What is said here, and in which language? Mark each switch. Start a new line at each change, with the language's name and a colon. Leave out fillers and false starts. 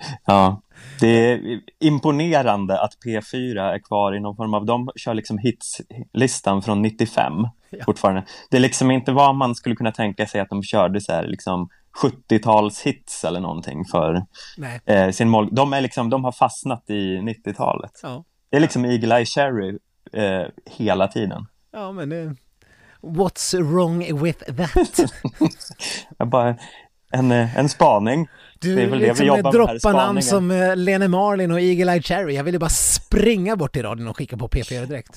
Swedish: ja, det är imponerande att P4 är kvar i någon form av, de kör liksom hitslistan från 95, ja, fortfarande. Det är liksom inte vad man skulle kunna tänka sig att de körde så här liksom 70-tals hits eller någonting för sin mål. De är liksom, de har fastnat i 90-talet. Ja. Det är liksom Eagle Eye Cherry hela tiden. Ja, men
English: what's wrong with that?
Swedish: Bara en spaning. Du, det är väl det liksom vi jobbar med, droppa namn som Lene Marlin och Eagle Eye Cherry. Jag vill ju bara springa bort i radion och skicka på P4 direkt.